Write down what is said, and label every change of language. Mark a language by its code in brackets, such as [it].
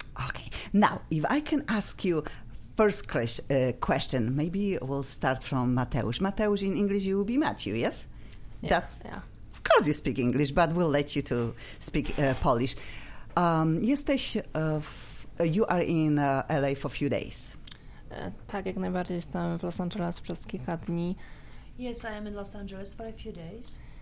[en] Okay, now, if I can ask you first question, maybe we'll start from Mateusz. Mateusz, in English, you will be Matthew, yes? Yeah. Of course you speak English, but we'll let you to speak Polish. You are in LA for a few days. [pl] Tak, jak najbardziej jestem w Los Angeles przez kilka dni. [en] Yes, I am in Los Angeles for a few days.